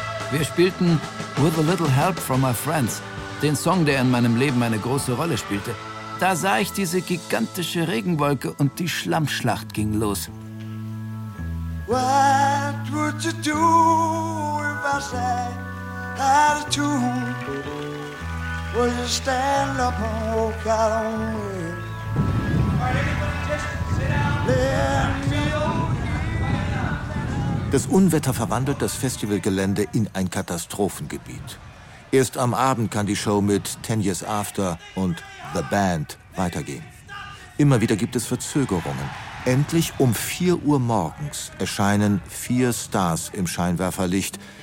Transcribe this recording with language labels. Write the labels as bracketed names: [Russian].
[German] Wir spielten With a Little Help from My Friends, den Song, der in meinem Leben eine große Rolle spielte. Da sah ich diese gigantische Regenwolke und die Schlammschlacht ging los. [English] What would you do if I sang out of tune? Would you stand up and walk out on me? All right, everybody just sit down. [German] Das Unwetter verwandelt das Festivalgelände in ein Katastrophengebiet. Erst am Abend kann die Show mit Ten Years After und The Band weitergehen. Immer wieder gibt es Verzögerungen. Endlich um 4 Uhr morgens erscheinen 4 Stars im Scheinwerferlicht.